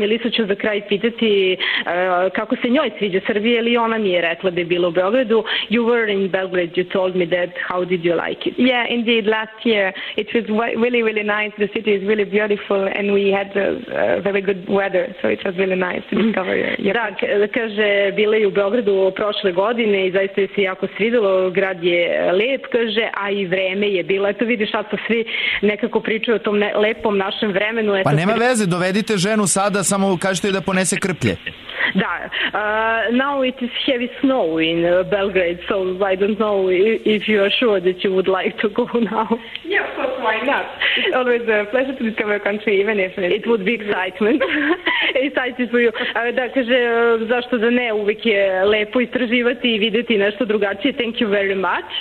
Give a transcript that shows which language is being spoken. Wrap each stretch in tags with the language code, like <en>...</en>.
<sr>Melissa će za kraj pitati kako se njoj sviđa Srbije, ili ona mi je rekla da je bila u Beogradu.</sr> <en>You were in Belgrade, you told me that. How did you like it? Yeah, indeed, last year it was really, really nice. The city is really beautiful and we had very good weather, so it was really nice to discover your country.</en> <sr>Kaže, bila je u Beogradu prošle godine i zaista je se jako svidelo, grad je lep, kaže, a i vreme je bilo. Eto vidiš, sad to svi nekako pričaju o tom lepom našem vremenu. Pa nema veze, dovedite ženu sada, samo kažete joj da ponese krplje.</sr> <en>Da, now it is heavy snow in Belgrade, so I don't know if you are sure that you would like to go now. Yeah, of course, why not? It's always a pleasure to discover a country, even if it would be excitement. Excited for you.</en> <sr>Da, kaže, zašto da ne, uvijek je lepo istraživati i videti nešto drugačije.</sr> <en>Thank you very much.</en>